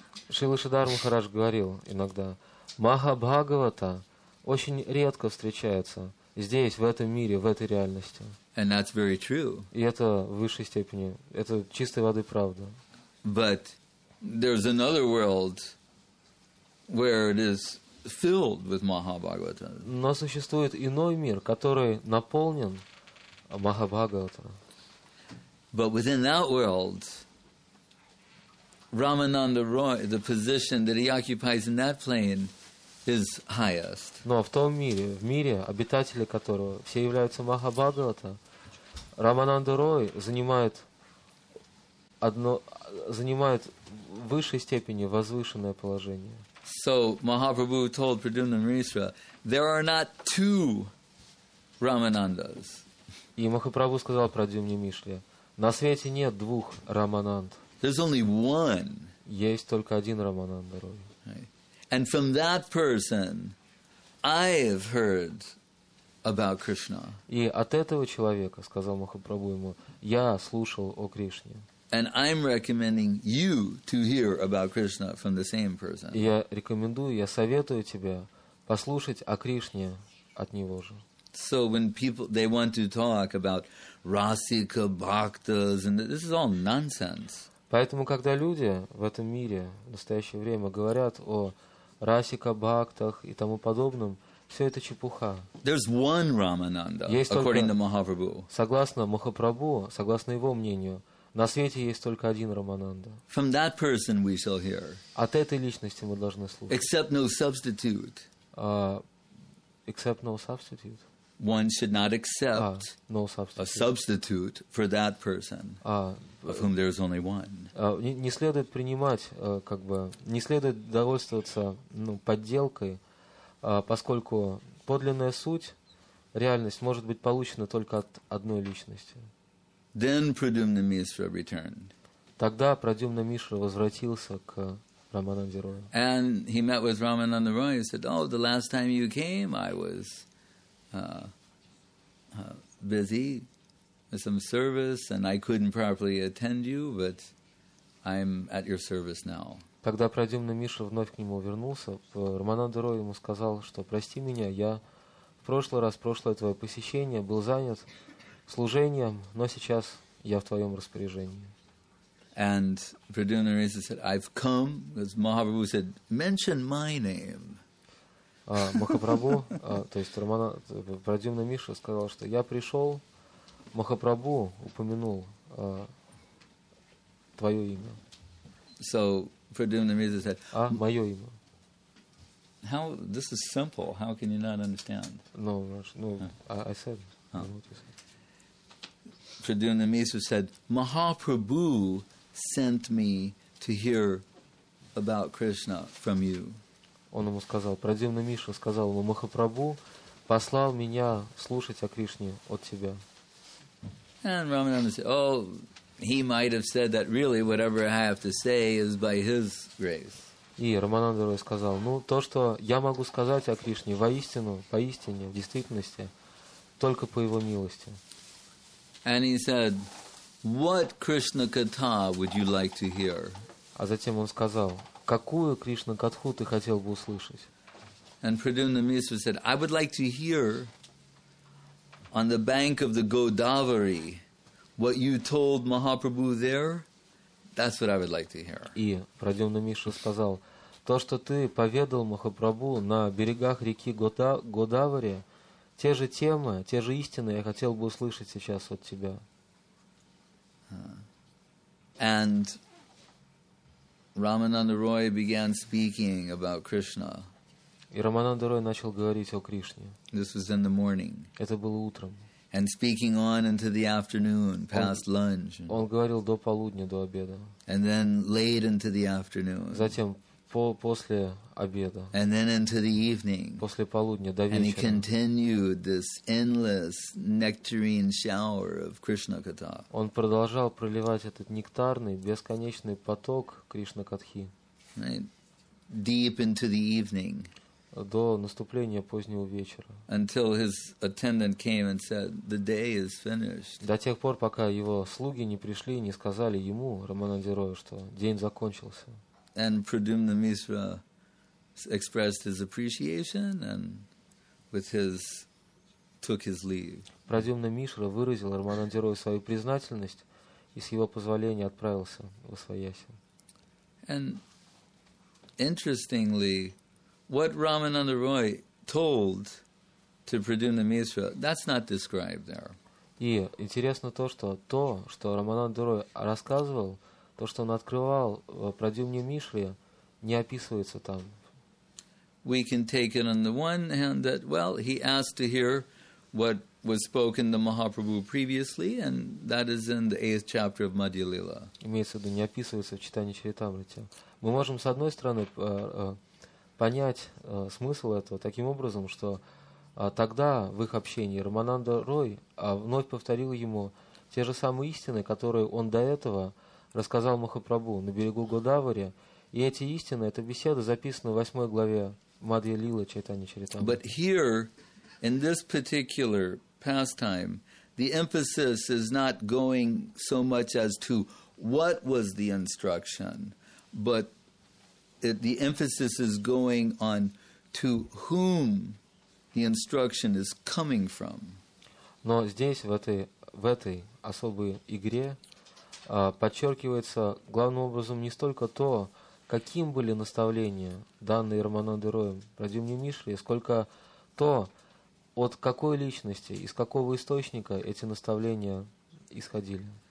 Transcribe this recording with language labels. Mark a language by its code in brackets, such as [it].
[ru] Шрила Шридхар Махарадж говорил иногда, Махабхагавата очень редко встречается здесь, в этом мире, в этой реальности. [en] And that's very true. [ru] И это в высшей степени, это чистой воды правда. [en] But there's another world where it is filled with Mahabhagavata. [ru] Но существует иной мир, который наполнен Махабхагавата. [en] But within that world, Рамананда Рой, the position that he occupies in that plane, is highest. [ru] Но в том мире, в мире, обитатели которого все являются Махабхагавата, Рамананда Рой занимает одно, занимает в высшей степени возвышенное положение. [en] So Mahaprabhu told Pradyumna Mishra, there are not two Ramanandas. [ru] И Махапрабху сказал Прадюмне Мишле, на свете нет двух Рамананд. [en] There's only one. [ru] Есть только один Рамананда Рой. [en] And from that person, I have heard about Krishna. [ru] И от этого человека, сказал Махапрабху ему, я слушал о Кришне. [en] And I'm recommending you to hear about Krishna from the same person. [ru] Я рекомендую, я советую тебе послушать о Кришне от него же. [en] So when people, they want to talk about Rasika, Bhaktas, and this is all nonsense. [ru] Поэтому, когда люди в этом мире в настоящее время говорят о Расика, Бхактах и тому подобном, все это чепуха. [en] There's one Ramananda, [ru] есть только, [en] according to Mahaprabhu. [ru] Согласно Махапрабху, согласно его мнению, на свете есть только один Рамананда. [en] From that person we shall hear. [ru] От этой личности мы должны слушать. [en] Except no substitute. Except no substitute. One should not accept no substitute. A substitute for that person, of whom there is only one. [ru] Не следует принимать, как бы, не следует довольствоваться подделкой, поскольку подлинная суть, реальность может быть получена только от одной личности. [en] Then Pradyumna Mishra returned. [ru] Тогда Прадюмна Мишра возвратился к Рамананде Рою. [en] And he met with Рамананда Рой and said, "Oh, the last time you came, I was busy with some service, and I couldn't properly attend you, but I'm at your service now." [ru] Когда Прадюмна Мишра вновь к нему вернулся, Рамананда Рой ему сказал, что прости меня, я в прошлый раз, прошлое твое посещение, был занят служением, но сейчас я в твоем распоряжении. [en] And Pradyumna Mishra said, "I've come," as Mahaprabhu said, "mention my name." [ru] Махапрабху, то есть Прадюмна Мишра сказал, что я пришел, Махапрабху упомянул твое имя. [en] So Pradyumna Mishra said, [ru] "Мое имя." [en] How this is simple. How can you not understand? Pradyumna Mishra said, "Mahaprabhu sent me to hear about Krishna from you." [ru] Он ему сказал, Прадюмна Мишра сказал ему, Махапрабху послал меня слушать о Кришне от тебя. [en] And Ramana said, oh, he might have said that really whatever I have to say is by his grace. [ru] И Рамананда сказал, ну, то, что я могу сказать о Кришне воистину, поистине, в действительности, только по его милости. [en] And he said, what Krishna katha would you like to hear? [ru] А затем он сказал, какую Кришна катху ты хотел бы услышать? [en] And Pradyumna Misra said, I would like to hear on the bank of the Godavari what you told Mahaprabhu there. That's what I would like to hear. [ru] И Прадюмна Миша сказал, то, что ты поведал Махапрабху на берегах реки Годавари, те же темы, те же истины я хотел бы услышать сейчас от тебя. [en] And Ramananda Roy began speaking about Krishna. [ru] И Рамананда Рой начал говорить о Кришне. [en] This was in the morning. [ru] Это было утром. [en] And speaking on into the afternoon, past lunch. [ru] Он говорил до полудня, до обеда. [en] And then late into the afternoon. [ru] Затем после обеда. [en] And then into the evening. [ru] После полудня, до вечера. [en] And he continued this endless nectarine shower of Krishna katha. [ru] Он продолжал проливать этот нектарный, бесконечный поток Кришна катхи. [en] Deep into the evening. [ru] До наступления позднего вечера. [en] Until his attendant came and said, the day is finished. [ru] До тех пор, пока его слуги не пришли и не сказали ему, Рамананде Рою, что день закончился. [en] And Pradyumna Misra expressed his appreciation and took his leave. [ru] Прадюмна Мишра выразил Рамананде Рою свою признательность и с его позволения отправился в освояси. [en] And interestingly, what Ramananda Roy told to Pradyumna Misra, that's not described there. [ru] И интересно то, что Рамананда Рой рассказывал, то, что он открывал Прадюмне Мишре, не описывается там. [en] We can take it on the one hand that, well, he asked to hear what was spoken to Mahaprabhu previously, and that is in the 8th chapter of Madhya Lila. [ru] Имеется в виду, не описывается в читании Чаритамрите. Мы можем, с одной стороны, понять смысл этого таким образом, что тогда в их общении Рамананда Рой вновь повторил ему те же самые истины, которые он до этого рассказал Махапрабху на берегу Годавари. И эти истины, эта беседа записана в 8 главе Мадья Лила Чайтани Чаритамрита. [en] But here, in this particular pastime, the emphasis is not going so much as to what was the instruction, but the emphasis is going on to whom the instruction is coming from. [ru] Но здесь, в этой особой игре, подчеркивается главным образом не столько то, каким были наставления, данные Рамананде Роем Прадюмне Мишре, сколько то, от какой личности, из какого источника эти наставления исходили.